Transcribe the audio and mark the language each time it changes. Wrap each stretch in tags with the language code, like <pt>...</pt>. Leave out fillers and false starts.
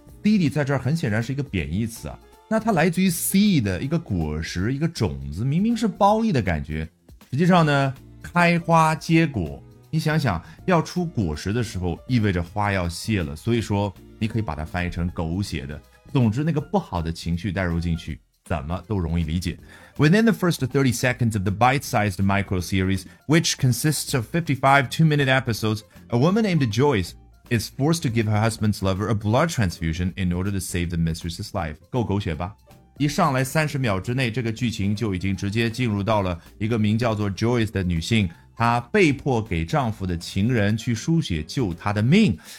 <zh>seedy 在这儿很显然是一个贬义词啊，那它来自于 seed 的一个果实、一个种子，明明是褒义的感觉，实际上呢，开花结果。你想想要出果实的时候意味着花要谢了，所以说你可以把它翻译成狗血的，总之那个不好的情绪带入进去怎么都容易理解。</zh> <en>Within the first 30 seconds of the bite-sized micro-series, which consists of 55 two-minute episodes, a woman named Joyce is forced to give her husband's lover a blood transfusion in order to save the mistress's life.</en> <zh>够狗血吧，一上来30秒之内这个剧情就已经直接进入到了一个名叫做 Joyce 的女性，她被迫给丈夫的情人去输血救她的命。</zh>